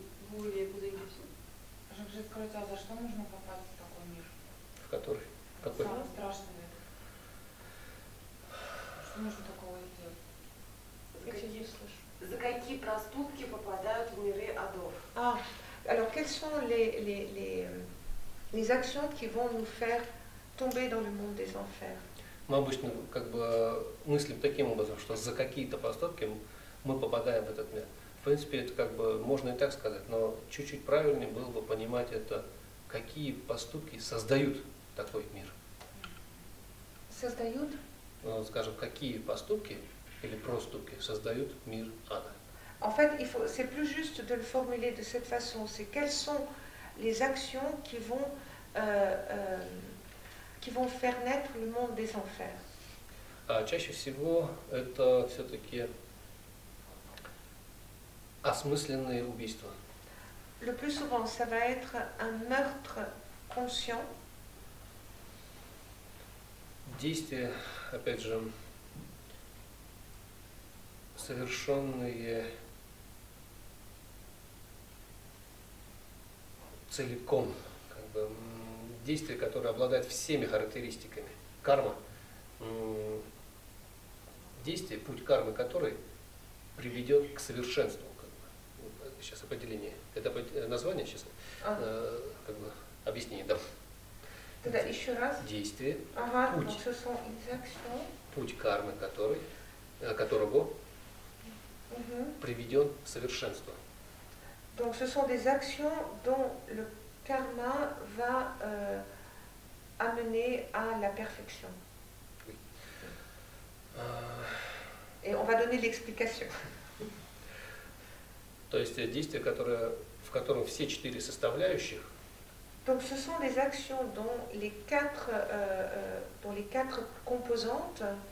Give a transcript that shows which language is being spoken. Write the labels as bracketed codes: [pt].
[fr] Vous voulez poser une question? Je vous ai posé une question. [ru] Что нужно попасть в такой мир? В который? Какой? Самый страшный мир. Что нужно такого сделать? [fr] Alors, quelles sont les actions qui vont nous faire tomber dans le monde des enfers? [ru] Мы обычно как бы мыслим таким образом, что за какие-то поступки мы попадаем в этот мир. В принципе, это как бы можно и так сказать, но чуть-чуть правильнее было бы понимать это какие поступки создают такой мир? Создают? Ну, скажем, какие поступки или проступки создают мир ада? [fr] En fait, il faut, c'est plus juste de le formuler de cette façon. C'est quelles sont les actions qui vont faire naître le monde des enfers. [ru] Чаще всего это все-таки осмысленные убийства. [fr] Le plus souvent, ça va être un meurtre conscient. [ru] Действия, опять же, совершенные целиком, как бы, действия, которые обладают всеми характеристиками. Карма. Действие, путь кармы, который приведет к совершенству. Как бы. Сейчас определение. Это название сейчас? Ага. Как бы, объяснение, да. Тогда еще раз. Действие. Ага, путь. [fr] Donc, ce sont les actions. [ru] Путь кармы, который, которого приведен к совершенству. [fr] Donc ce sont des actions dont le karma va amener à la perfection. Oui. Et on va donner l'explication. [ru] То есть действия, которые, в котором все четыре составляющих. [fr] Donc ce sont des actions dont les quatre composantes